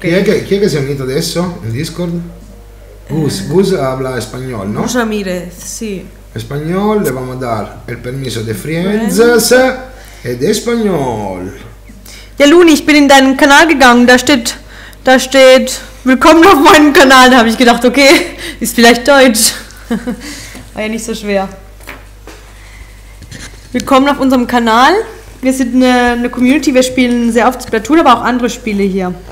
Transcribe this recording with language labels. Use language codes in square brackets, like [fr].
[it] Chi è che si è unito adesso in Discord? [es] Gus habla español, no? [it] Gus Ramirez, sì. [es] Español, le vamos a dar el permiso de friends ed español. [de] Ja, Luni, ich bin in deinen Kanal gegangen, da steht willkommen auf meinem Kanal, da habe ich gedacht, okay, ist vielleicht Deutsch. War ja nicht so schwer. Willkommen auf unserem Kanal. Wir sind eine Community, wir spielen sehr oft Splatoon, aber auch andere Spiele hier.